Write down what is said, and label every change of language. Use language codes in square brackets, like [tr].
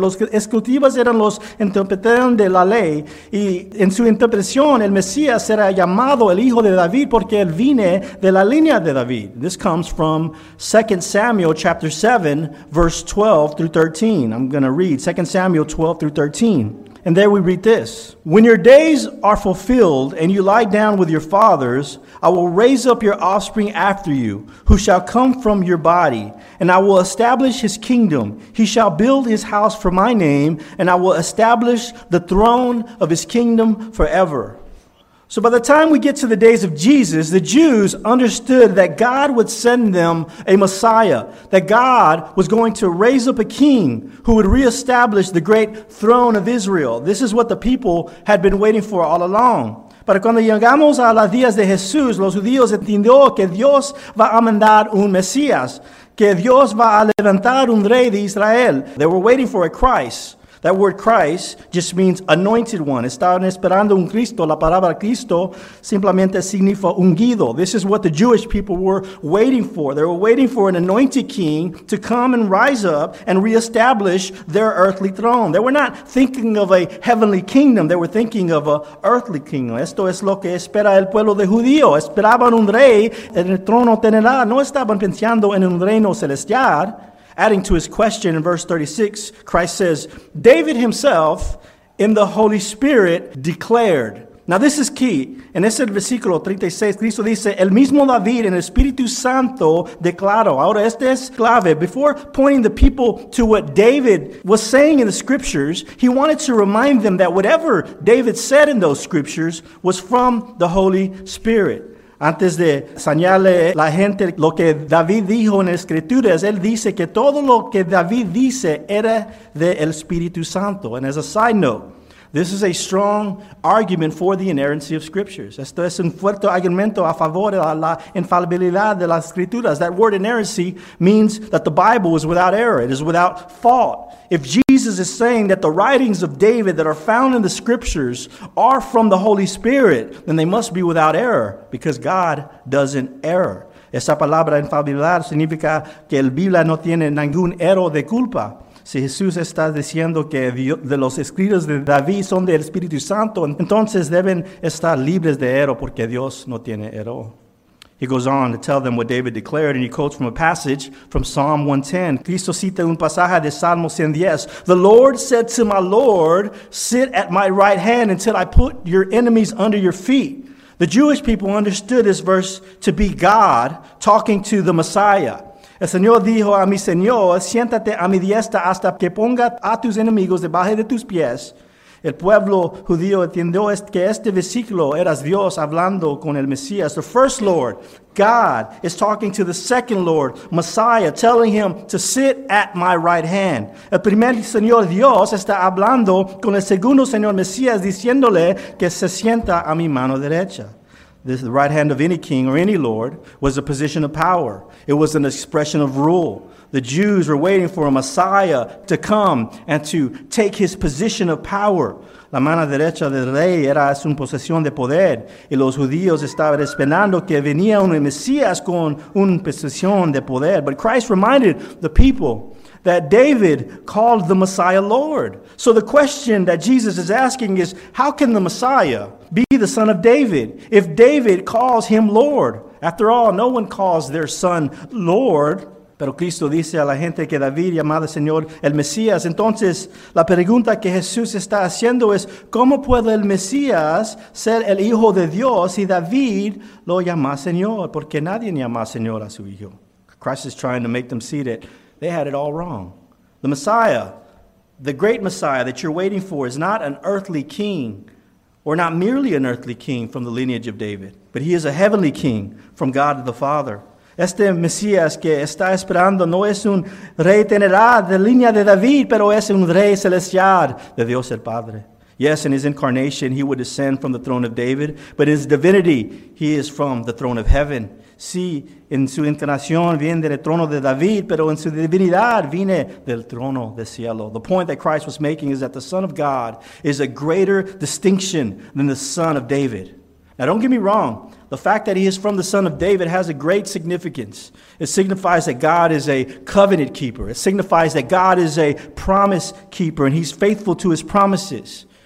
[es] Los escribas eran los interpretadores de la ley. Y en su interpretación, el Mesías será llamado el Hijo de David porque él viene de la línea de David. [en] This comes from 2 Samuel chapter 7, verse 12 through 13. I'm going to read 2 Samuel 12 through 13. And there we read this: "When your days are fulfilled and you lie down with your fathers, I will raise up your offspring after you, who shall come from your body, and I will establish his kingdom. He shall build his house for my name, and I will establish the throne of his kingdom forever." So by the time we get to the days of Jesus, the Jews understood that God would send them a Messiah, that God was going to raise up a king who would reestablish the great throne of Israel. This is what the people had been waiting for all along. [es] Pero cuando llegamos a los días de Jesús, los judíos entendió que Dios va a mandar un Mesías, que Dios va a levantar un rey de Israel. [en] They were waiting for a Christ. That word Christ just means anointed one. [es] Estaban esperando un Cristo. La palabra Cristo simplemente significa ungido. [en] This is what the Jewish people were waiting for. They were waiting for an anointed king to come and rise up and reestablish their earthly throne. They were not thinking of a heavenly kingdom. They were thinking of an earthly kingdom. [es] Esto es lo que espera el pueblo de judío. Esperaban un rey en el trono terrenal. No estaban pensando en un reino celestial. [en] Adding to his question in verse 36, Christ says, "David himself in the Holy Spirit declared." Now this is key. [es] En ese versículo 36, Cristo dice, "El mismo David en Espíritu Santo declaró." Ahora este es clave. [en] Before pointing the people to what David was saying in the scriptures, he wanted to remind them that whatever David said in those scriptures was from the Holy Spirit. [es] Antes de señalarle a la gente lo que David dijo en las Escrituras, él dice que todo lo que David dice era del Espíritu Santo. [en] And as a side note, This is a strong argument for the inerrancy of scriptures. [es] Esto es un fuerte argumento a favor de la infalibilidad de las escrituras. [en] That word inerrancy means that the Bible is without error. It is without fault. If Jesus is saying that the writings of David that are found in the scriptures are from the Holy Spirit, then they must be without error because God doesn't err. [es] Esa palabra infalibilidad significa que la Biblia no tiene ningún error de culpa. Si Jesús está diciendo que de los escritos de David son del Espíritu Santo, entonces deben estar libres de error porque Dios no tiene error. [en] He goes on to tell them what David declared, and he quotes from a passage from Psalm 110. [es] Cristo cita un pasaje de Salmo 110. [en] The Lord said to my Lord, sit at my right hand until I put your enemies under your feet. The Jewish people understood this verse to be God talking to the Messiah. [es] El Señor dijo a mi Señor, siéntate a mi diestra hasta que ponga a tus enemigos debajo de tus pies. El pueblo judío entendió que este versículo era Dios hablando con el Mesías. [en] The first Lord, God, is talking to the second Lord, Messiah, telling him to sit at my right hand. [es] El primer Señor Dios está hablando con el segundo Señor Mesías, diciéndole que se sienta a mi mano derecha. [en] This, the right hand of any king or any lord was a position of power. It was an expression of rule. The Jews were waiting for a Messiah to come and to take his position of power. [es] La mano derecha del rey era su posesión de poder. Y los judíos estaban esperando que venía un Mesías con una posesión de poder. [en] But Christ reminded the people that David called the Messiah Lord. So the question that Jesus is asking is, how can the Messiah be the son of David if David calls him Lord? After all, no one calls their son Lord. [es] Pero Cristo dice a la gente que David llamaba Señor el Mesías. Entonces, la pregunta que Jesús está haciendo es, ¿cómo puede el Mesías ser el Hijo de Dios si David lo llama Señor? Porque nadie llama Señor a su Hijo. [en] Christ is trying to make them see that they had it all wrong. The Messiah, the great Messiah that you're waiting for, is not an earthly king, or not merely an earthly king from the lineage of David, but he is a heavenly king from God the Father. [es] Este Mesías que está esperando no es un rey general de línea de David, pero es un rey celestial de Dios el Padre. [en] Yes, in his incarnation, he would descend from the throne of David, but in his divinity, he is from the throne of heaven. [es] Sí, en su encarnación viene del trono de David, pero en su divinidad viene del trono del cielo. [en] The point that Christ was making is that the Son of God is a greater distinction than the Son of David. Now, don't get me wrong. The fact that he is from the Son of David has a great significance. It signifies that God is a covenant keeper. It signifies that God is a promise keeper, and he's faithful to his promises.